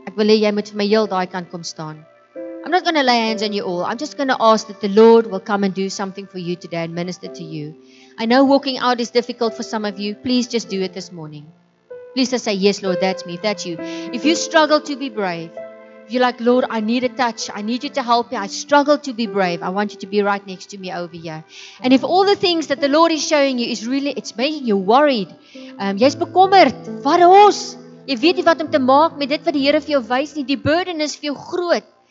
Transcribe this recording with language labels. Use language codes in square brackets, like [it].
[af] Ek wil hê jy moet vir my heel daai kant kom staan. [en] I'm not going to lay hands on you all. I'm just going to ask that the Lord will come and do something for you today and minister to you. I know walking out is difficult for some of you. Please just do it this morning. Please just say, yes, Lord, that's me. If that's you. If you struggle to be brave, if you're like, Lord, I need a touch. I need you to help me. I struggle to be brave. I want you to be right next to me over here. And if all the things that the Lord is showing you is really, it's making you worried. [af] Jy's bekommerd. Wat is? Jy weet nie wat om te maak met dit wat die Here vir jou wys nie. Die burden is vir jou groot.